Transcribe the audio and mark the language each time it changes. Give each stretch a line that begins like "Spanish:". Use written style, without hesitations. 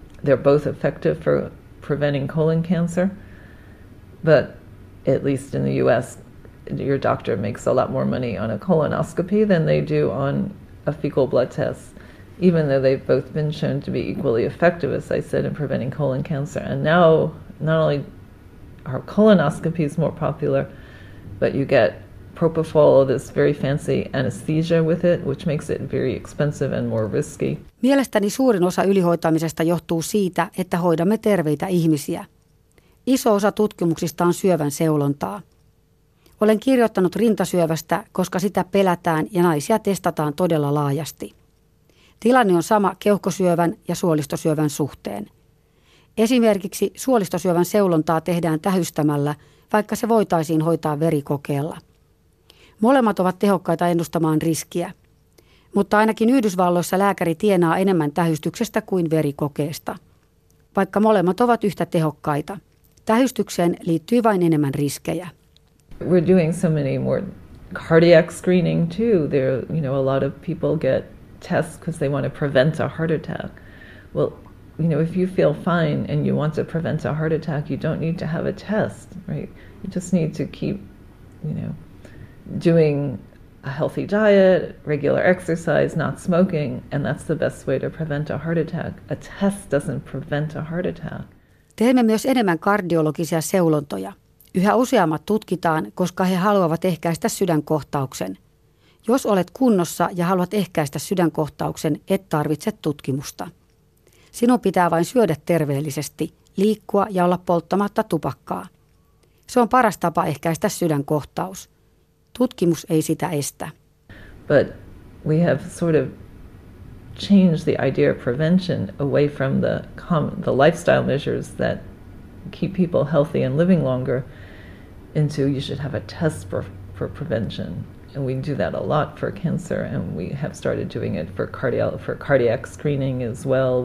English: They're both effective for preventing colon cancer. But at least in the US, your doctor makes a lot more money on a colonoscopy than they do on a fecal blood test, even though they've both been shown to be equally effective, as I said, in preventing colon cancer. And now, not only are colonoscopies more popular, but you get propofol, this very fancy anesthesia with it, which makes it very expensive and more risky.
Finnish: Mielestäni suurin osa ylihoitamisesta johtuu siitä, että hoidamme terveitä ihmisiä. Iso osa tutkimuksista on syövän seulontaa. Olen kirjoittanut rintasyövästä, koska sitä pelätään ja naisia testataan todella laajasti. Tilanne on sama keuhkosyövän ja suolistosyövän suhteen. Esimerkiksi suolistosyövän seulontaa tehdään tähystämällä, vaikka se voitaisiin hoitaa verikokeella. Molemmat ovat tehokkaita ennustamaan riskiä, mutta ainakin Yhdysvalloissa lääkäri tienaa enemmän tähystyksestä kuin verikokeesta, vaikka molemmat ovat yhtä tehokkaita. Tähystykseen liittyy vain enemmän riskejä.
English: We're doing so many more cardiac screening too. There, you know, a lot of people get tests because they want to prevent a heart attack. Well, you know, if you feel fine and you want to prevent a heart attack, you don't need to have a test, right? You just need to keep, you know, doing a healthy diet, regular exercise, not smoking, and that's the best way to prevent a heart attack. A test doesn't prevent a heart attack.
Finnish: Teemme myös enemmän kardiologisia seulontoja. Yhä useammat tutkitaan, koska he haluavat ehkäistä sydänkohtauksen. Jos olet kunnossa ja haluat ehkäistä sydänkohtauksen, et tarvitse tutkimusta. Sinun pitää vain syödä terveellisesti, liikkua ja olla polttamatta tupakkaa. Se on paras tapa ehkäistä sydänkohtaus. Tutkimus ei sitä estä.
English: But we have sort of changed the idea of prevention away from the lifestyle measures that keep people healthy and living longer into you should have a test for prevention. And we do that a lot for cancer, and we have started doing it for cardiac screening as well.